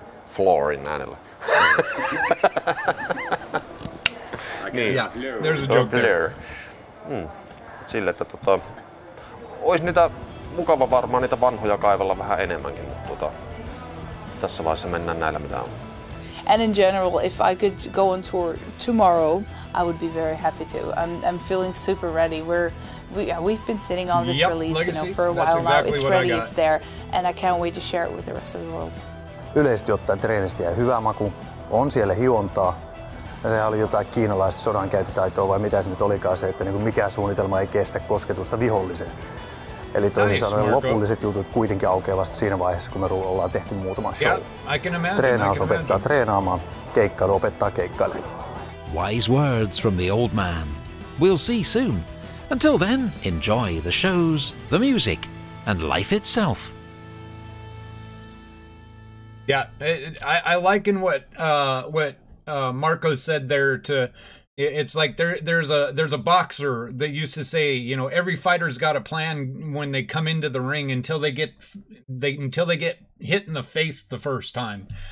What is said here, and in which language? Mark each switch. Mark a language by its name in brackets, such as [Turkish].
[Finnish] Flori äänelle. [English] Niin. Yeah, there's a joke there. [Finnish] Sille, että olisi niitä mukava varmaan niitä vanhoja kaivella vähän enemmänkin, mutta tässä vaiheessa mennään näillä mitä on. [English] And in general, if I could go on tour tomorrow, I would be very happy to. I'm feeling super ready. We've been sitting on this release, Legacy, for a while exactly now. It's ready, it's there, and I can't wait to share it with the rest of the world. [Finnish] Yleisesti ottaen treenistä jäi hyvä maku. On siellä hiontaa. Sehän oli jotain kiinalaista sodankäyttötaitoa vai mitä se nyt olikaan se, että niin kuin mikään suunnitelma ei kestä kosketusta viholliseen. Eli toisin sanoen lopulliset jutut kuitenkin aukeaa vasta siinä vaiheessa, kun me ollaan tehty muutama show. Treenaus opettaa treenaamaan, keikkailu opettaa keikkailemaan. [English] Wise words from the old man. We'll see soon. Until then, enjoy the shows, the music and life itself. Yeah, I liken what Marco said there to, it's like there's a boxer that used to say, you know, every fighter's got a plan when they come into the ring until they get hit in the face the first time.